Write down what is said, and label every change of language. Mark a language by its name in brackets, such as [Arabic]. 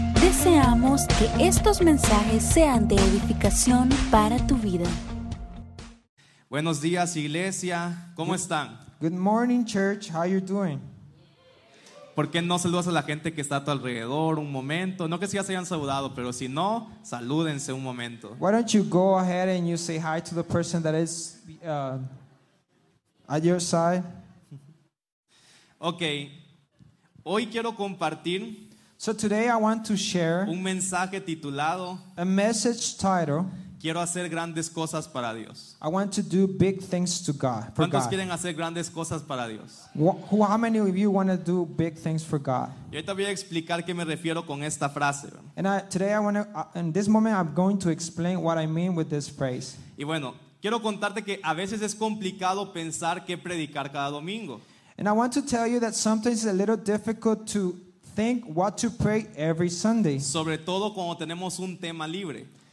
[Spanish] Deseamos que estos mensajes sean de edificación para tu vida. Buenos días, iglesia. ¿Cómo están? [English] Good morning, church. How are you doing? [Spanish] ¿Por qué no saludas a la gente que está a tu alrededor un momento? No que si ya se hayan saludado, pero si no, salúdense un momento. [English] Why don't you go ahead and you say hi to the person that is at your side? [Spanish] Okay. Hoy quiero compartir. [English] So today I want to share [Spanish] un mensaje titulado [English] a message title. [Spanish] Quiero hacer grandes cosas para Dios. [English] I want to do big things to God. For ¿Cuántos God? [Spanish] Quieren hacer grandes cosas para Dios? [English] How many of you want to do big things for God? [Spanish] Y ahorita voy a explicar qué me refiero con esta frase. [English] And in this moment I'm going to explain what I mean with this phrase. [Spanish] Y bueno, quiero contarte que a veces es complicado pensar qué predicar cada domingo. [English] And I want to tell you that sometimes it's a little difficult to think what to pray every Sunday. [Spanish] Sobre todo cuando tenemos un tema libre.